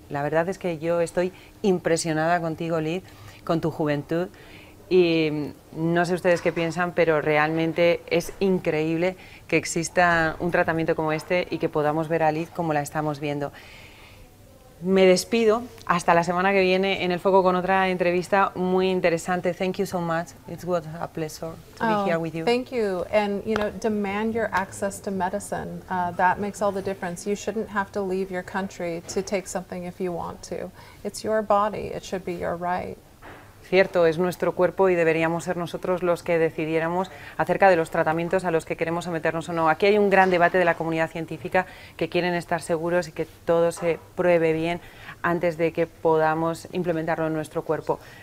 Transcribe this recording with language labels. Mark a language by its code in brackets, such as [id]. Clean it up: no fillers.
[es] La verdad es que yo estoy impresionada contigo, Liz, con tu juventud, y no sé ustedes qué piensan, pero realmente es increíble que exista un tratamiento como este y que podamos ver a Liz como la estamos viendo. Me despido, hasta la semana que viene en El Foco con otra entrevista muy interesante. [en] Thank you so much. It was a pleasure to be here with you. Thank you. And, you know, demand your access to medicine. That makes all the difference. You shouldn't have to leave your country to take something if you want to. It's your body. It should be your right. [es] Cierto, es nuestro cuerpo y deberíamos ser nosotros los que decidiéramos acerca de los tratamientos a los que queremos someternos o no. Aquí hay un gran debate de la comunidad científica que quieren estar seguros y que todo se pruebe bien antes de que podamos implementarlo en nuestro cuerpo.